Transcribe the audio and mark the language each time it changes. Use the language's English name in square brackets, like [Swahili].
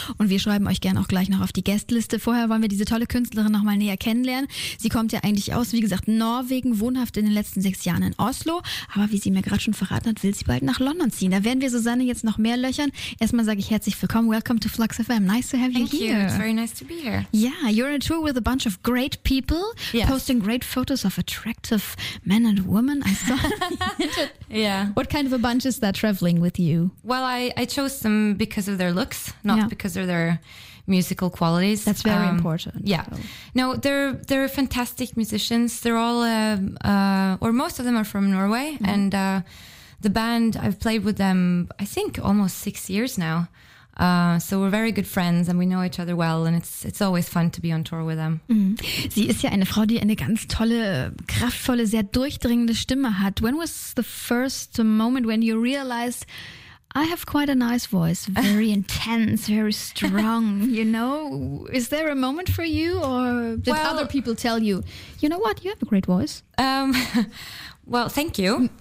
[German] Und wir schreiben euch gerne auch gleich noch auf die Guestliste. Vorher wollen wir diese tolle Künstlerin nochmal näher kennenlernen. Sie kommt ja eigentlich aus, wie gesagt, Norwegen, wohnhaft in den letzten 6 Jahren in Oslo. Aber wie sie mir gerade schon verraten hat, will sie bald nach London ziehen. Da werden wir Susanne jetzt noch mehr löchern. Erstmal sage ich herzlich willkommen. [English] Welcome to Flux FM. Nice to have you here. Thank you. It's very nice to be here. Yeah, you're on a tour with a bunch of great people. Yes. Posting great photos of attractive men and women. I saw. Yeah. What kind of a bunch is that traveling with you? Well, I chose them because of their looks, not because of their musical qualities. That's very important. Yeah. So. No, they're fantastic musicians. They're all, or most of them are from Norway. Mm-hmm. And the band, I've played with them, I think, almost 6 years now. So we're very good friends and we know each other well and it's always fun to be on tour with them. Mm. [German] Sie ist ja eine Frau, die eine ganz tolle, kraftvolle, sehr durchdringende Stimme hat. [English] When was the first moment when you realized, I have quite a nice voice, very intense, very strong, you know? Is there a moment for you or did other people tell you, you know what, you have a great voice? Well, thank you.